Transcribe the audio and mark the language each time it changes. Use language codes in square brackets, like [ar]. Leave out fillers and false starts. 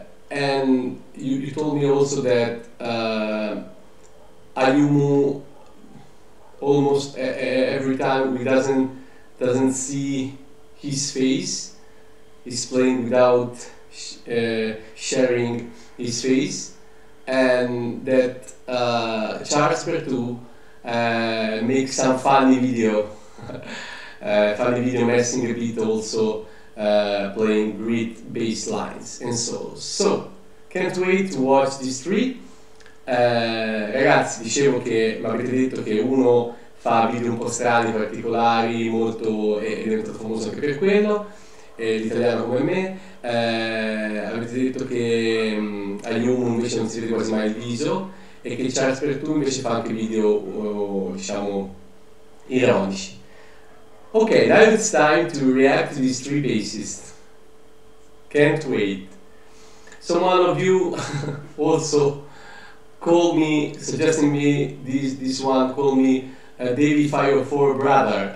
[en] And you told me also that Ayumu, almost every time we doesn't see his face, he's playing without sharing his face, and that Charles Berthoud makes some funny video, messing a bit, also playing great bass lines and solos. So, can't wait to watch these three. [it] Ragazzi, dicevo che mi avete detto che uno fa video un po' strani, particolari, molto, è diventato famoso anche per quello, e l'italiano come me. Avete detto che Ayumu invece non si vede quasi mai il viso, e che Charles Berthoud invece fa anche video, diciamo, ironisch. [en] Okay, now it's time to react to these three bassists. Can't wait. Someone of you also called me, suggesting me this one, called me Davie504 brother.